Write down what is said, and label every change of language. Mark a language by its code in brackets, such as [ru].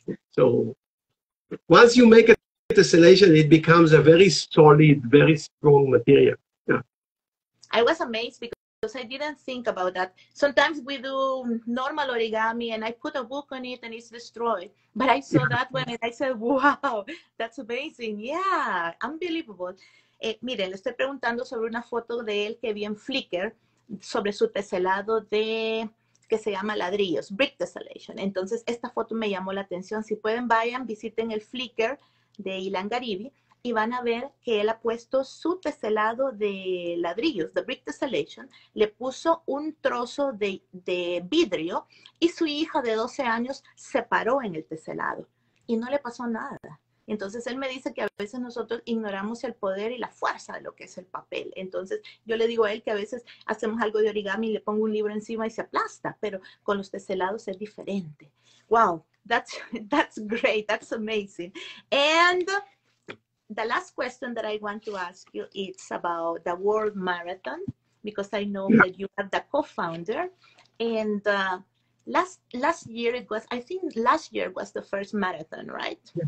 [en] So once you make a tessellation, it becomes a very solid, very strong material. Yeah. I was amazed because I didn't think about that. Sometimes we do normal origami and I put a book on it and it's destroyed. But I saw that one and I said, wow, that's amazing. Yeah, unbelievable. [es] Mire, le estoy preguntando sobre una foto de él que vi en Flickr sobre su teselado de, que se llama ladrillos, [en] brick tessellation. [es] Entonces, esta foto me llamó la atención. Si pueden, vayan, visiten el Flickr de Ilan Garibi. Y van a ver que él ha puesto su teselado de ladrillos, [en] the brick tessellation, [es] le puso un trozo de vidrio y su hija de 12 años se paró en el teselado y no le pasó nada. Entonces él me dice que a veces nosotros ignoramos el poder y la fuerza de lo que es el papel. Entonces yo le digo a él que a veces hacemos algo de origami y le pongo un libro encima y se aplasta, pero con los teselados es diferente. [en] Wow, that's great, that's amazing. And the last question that I want to ask you is about the World Marathon, because I know that you are the co-founder. And last year it was, I think last year was the first marathon, right?